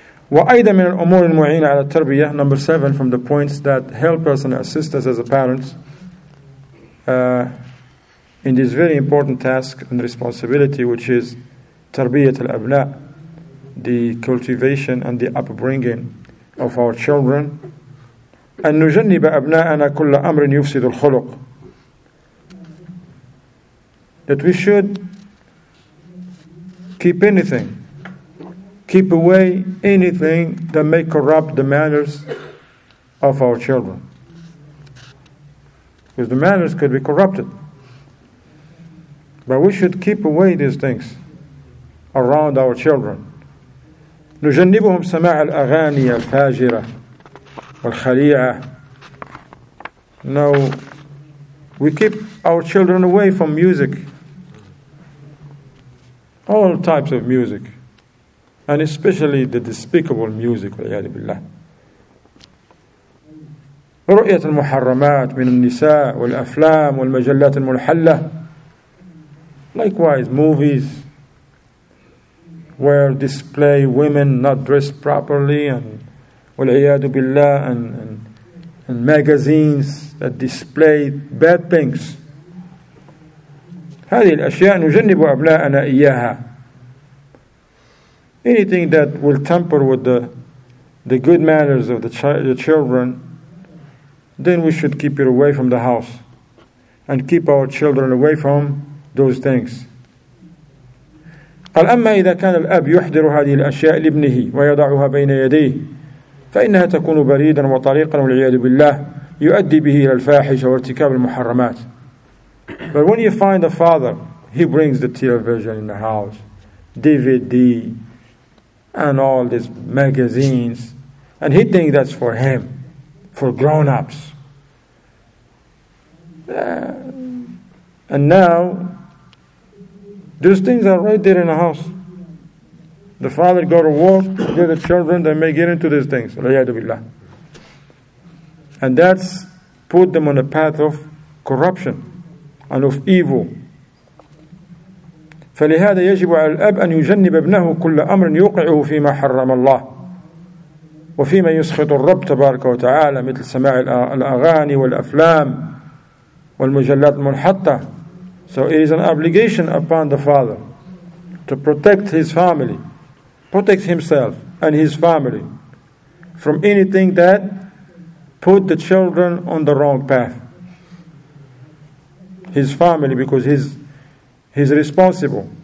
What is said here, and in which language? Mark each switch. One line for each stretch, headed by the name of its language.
Arabic: وأيضا من الأمور المعينة على التربية,
English: number 7 from the points that help us and assist us as a parents in this very important task and responsibility, which is
Arabic: تربية الأبناء,
English: the cultivation and the upbringing of our children.
Arabic: أن نجنب أبناءنا كل أمر يفسد الخلق.
English: That we should keep anything. Keep away anything that may corrupt the manners of our children. Because the manners could be corrupted. But we should keep away these things around our children.
Arabic: نجنبهم سماع الأغاني الفاجرة والخليعة.
English: No, we keep our children away from music. All types of music, and especially the despicable music,
Arabic: wal'iyadu billah. رؤية المحرمات من النساء والأفلام والمجلات المنحلة.
English: Likewise, movies where display women not dressed properly, and
Arabic: والعياد بالله,
English: and magazines that display bad things.
Arabic: هذه الأشياء نجنب أبناءنا إياها.
English: Anything that will tamper with the good manners of the children, then we should keep it away from the house and keep our children away from those things.
Arabic: قال أما إذا كان الأب يحضر هذه الأشياء لابنه ويضعها بين يديه فإنها تكون بريدا وطريقا والعياذ بالله يؤدي به إلى الفاحشة وارتكاب المحرمات.
English: But when you find a father, he brings the television in the house, DVD and all these magazines, and he thinks that's for him, for grown-ups. And now, those things are right there in the house. The father go to work, with the children, they may get into these things. And that's put them on a path of corruption and of evil.
Arabic: فلهذا يجب على الأب أن يجنب ابنه كل أمر يوقعه فيما حرم الله وفيما يسخط الرب تبارك وتعالى مثل سماع الأغاني والأفلام والمجلات المنحطة.
English: So it is an obligation upon the father to protect his family, protect himself and his family from anything that put the children on the wrong path. His family, because he's responsible.